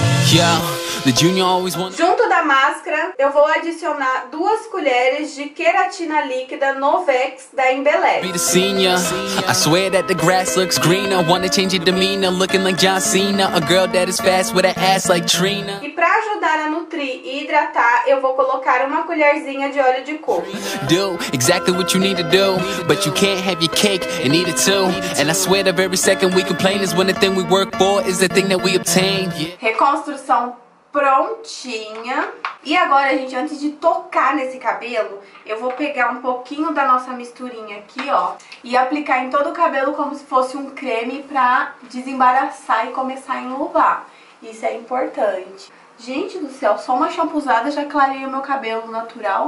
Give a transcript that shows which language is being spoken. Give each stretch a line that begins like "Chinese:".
Portuguese: Yeah. Junto da máscara, eu vou adicionar 2 colheres de queratina líquida Novex da Embeleze. E pra ajudar a nutrir e hidratar, eu vou colocar 1 colherzinha de óleo de coco.
English: Do exactly what you need to do, but you can't have your cake and eat it too. And I swear that every second we complain is when the thing we work for is the thing that we obtain.
Portuguese: Reconstrução prontinha. E agora, gente, antes de tocar nesse cabelo, eu vou pegar um pouquinho da nossa misturinha aqui, ó, e aplicar em todo o cabelo como se fosse um creme pra desembaraçar e começar a enluvar. Isso é importante. Gente do céu, só uma shampoozada já clareia o meu cabelo natural.